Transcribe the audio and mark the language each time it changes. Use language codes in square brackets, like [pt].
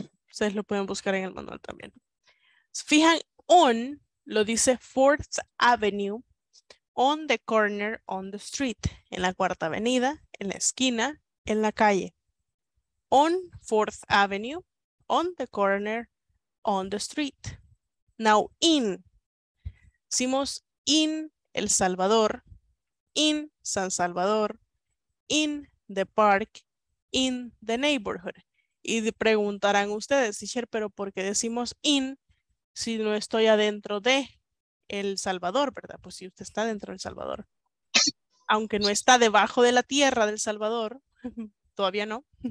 [es] Ustedes lo pueden buscar en el manual también. Fijan, on lo dice 4th Avenue. [en] On the corner, on the street. [es] En la cuarta avenida, en la esquina, en la calle. [en] On 4th Avenue, on the corner, on the street. Now in. [es] Decimos [en] in El Salvador, in San Salvador, in the park, in the neighborhood. [es] Y preguntarán ustedes, teacher, pero ¿por qué decimos in si no estoy adentro de El Salvador, verdad? Pues si usted está dentro de El Salvador. Aunque no está debajo de la tierra del Salvador, todavía no.